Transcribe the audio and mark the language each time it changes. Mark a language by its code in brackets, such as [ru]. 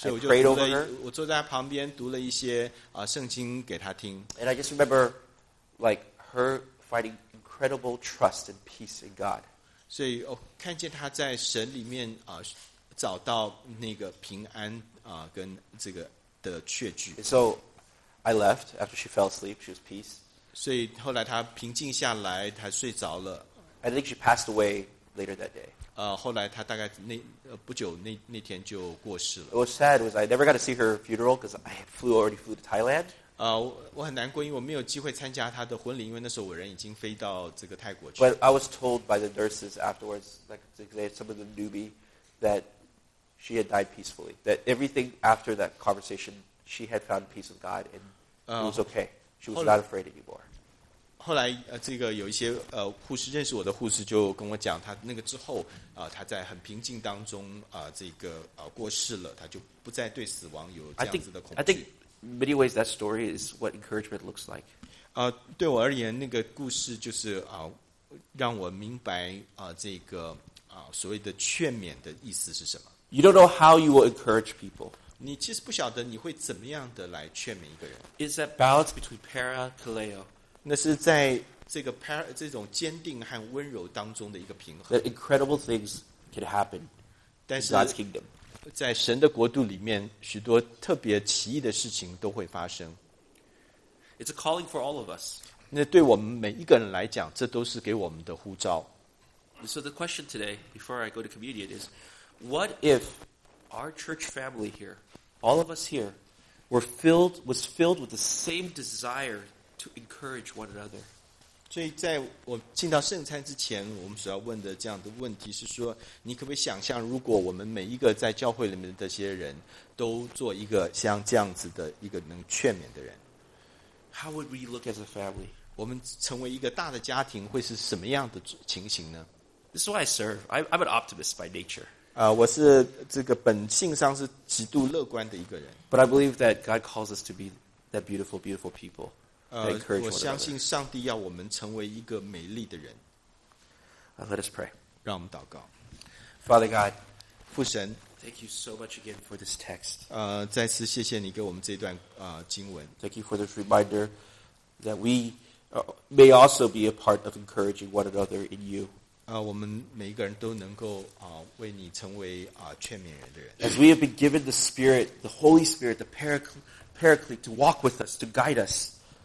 [zh] 所以我就读了，我坐在他旁边读了一些圣经给他听。 [en] And I just remember, like her finding incredible trust and peace in God. [zh] 所以我看见他在神里面找到那个平安跟这个的确据。 [en] So I left after she fell asleep. She was peace. [zh] 所以后来他平静下来，他睡着了。 [en] I think she passed away later that day. [zh] 后来他大概不久那天就过世了。 [en] What was sad was I never got to see her funeral because I already flew to Thailand. [zh] 我很难过，因为我没有机会参加她的婚礼，因为那时候我人已经飞到这个泰国去。 [en] But I was told by the nurses afterwards, like they had some of the newbie, that she had died peacefully. That everything after that conversation, she had found peace with God and it was okay. She was not afraid anymore. [zh] 后来这个有一些护士认识我的护士就跟我讲，她那个之后她在很平静当中过世了，她就不再对死亡有这样子的恐惧。 [en] In many ways, that story is what encouragement looks like. [zh] 对我而言，那个故事就是让我明白这个所谓的劝勉的意思是什么。 [en] You don't know how you will encourage people. [zh] 你其实不晓得你会怎么样的来劝勉一个人。 [en] It's that balance between parakaleo. [zh] 那是在这个这种坚定和温柔当中的一个平衡。 [en] That incredible things can happen in God's kingdom. [zh] 在神的国度里面，许多特别奇异的事情都会发生。 [en] It's a calling for all of us. [zh] 那对我们每一个人来讲，这都是给我们的呼召。 [en] So the question today, before I go to communion, is what if our church family here, all of us here, was filled with the same desire to encourage one another? [zh] 所以在我进到圣餐之前，我们所要问的这样的问题是说，你可不可以想象，如果我们每一个在教会里面的这些人都做一个像这样子的一个能劝勉的人 [en] ？How would we look as a family？ [zh] 我们成为一个大的家庭会是什么样的情形呢 [en] ？This is why I serve. I'm an optimist by nature. [zh] 我是这个本性上是极度乐观的一个人。 [en] But I believe that God calls us to be that beautiful, beautiful people. [zh] 我相信上帝要我们成为一个美丽的人。 [en] Let us pray. [zh] 让我们祷告。 [en] Father God, [zh] 父神 [en] ，Thank you so much again for this text. [zh] 再次谢谢你给我们这段经文。 [en] Thank you for this reminder that we may also be a part of encouraging one another in you. [zh] 我们每一个人都能够为你成为劝勉人的人。 [en] As we have been given the Spirit, the Holy Spirit, the Paraclete to walk with us, to guide us.